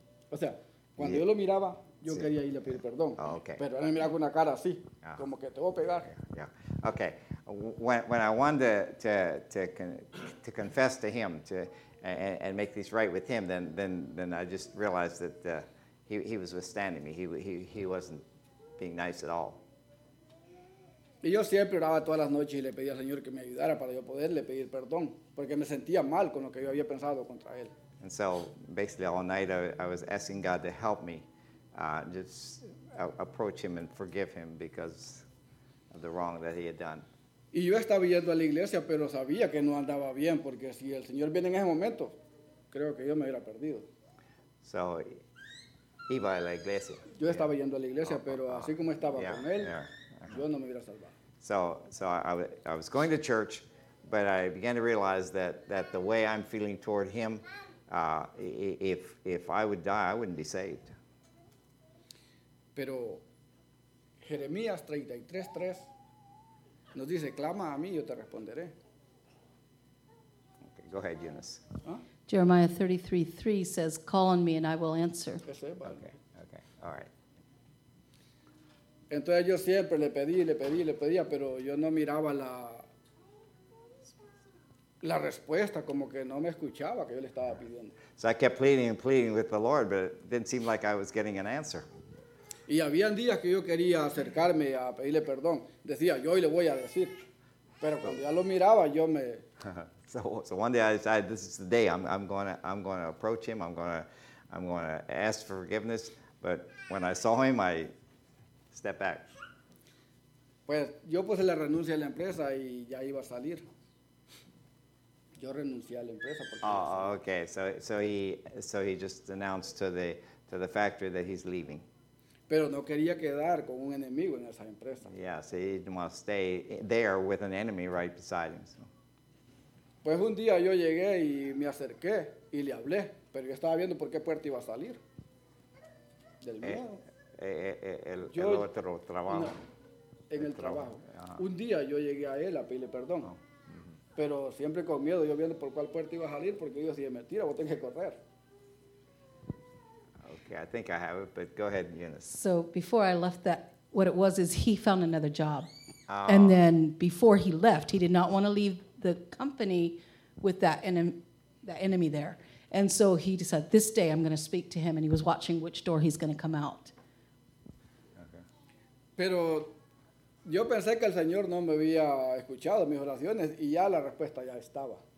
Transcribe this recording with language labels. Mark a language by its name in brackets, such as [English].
[Spanish] O sea, cuando yo lo miraba, yo quería ir a pedir perdón. [English] Oh, okay. [Spanish] Pero él me miraba con una cara así, como que te voy a pegar. [English] Yeah. Okay. When I wanted to confess to him and make this right with him, then I just realized that he was withstanding me. He wasn't being nice at all. [Spanish] Y yo siempre oraba todas las noches y le pedía al Señor que me ayudara para yo poderle pedir perdón, porque me sentía mal con lo que yo había pensado contra él. [English] And so basically all night I was asking God to help me just approach him and forgive him because of the wrong that he had done. [Spanish] Y yo estaba yendo a la iglesia, pero sabía que no andaba bien, porque si el Señor viene en ese momento, creo que yo me hubiera perdido. So iba a la iglesia. Yo estaba yendo a la iglesia, pero así como estaba con él, yo no me hubiera salvado. [English] So I was going to church, but I began to realize that the way I'm feeling toward him, if I would die, I wouldn't be saved. [Spanish] Pero Jeremías 33:3 nos dice, clama a mí, yo te responderé. [English] Okay, go ahead, Eunice. Jeremiah 33:3 says, call on me and I will answer. Okay, all right. [Spanish] Entonces yo siempre le pedía, pero yo no miraba la respuesta, como que no me escuchaba que yo le estaba pidiendo. [English] So I kept pleading and pleading with the Lord, but it didn't seem like I was getting an answer. [Spanish] Y habían días que yo quería acercarme a pedirle perdón. Decía, yo hoy le voy a decir. Pero cuando ya lo miraba, yo me... [English] So one day I decided this is the day I'm going to approach him. I'm going to ask for forgiveness. But when I saw him, I stepped back. [Spanish] Pues yo puse la renuncia a la empresa y ya iba a salir. Yo renuncié a la empresa porque [English] okay. So he just announced to the factory that he's leaving. [Spanish] Pero no quería quedar con un enemigo en esa empresa. [English] Yeah, so he didn't want to stay there with an enemy right beside him. So. [Spanish] Pues un día yo llegué y me acerqué y le hablé, pero yo estaba viendo por qué puerta iba a salir. Del miedo. El otro trabajo. En el trabajo. Un día yo llegué a él a pedirle perdón. Uh-huh. Pero siempre con miedo, yo viendo por cuál puerta iba a salir, porque yo decía, mentira, vos tenés que correr. [English] Ok. Okay, I think I have it, but go ahead, Eunice. So before I left that, what it was is he found another job. And then before he left, he did not want to leave the company with that enemy there. And so he decided, this day I'm going to speak to him, and he was watching which door he's going to come out. Okay. [Spanish] Pero yo pensé que el Señor no me había escuchado mis oraciones, y ya la respuesta ya estaba.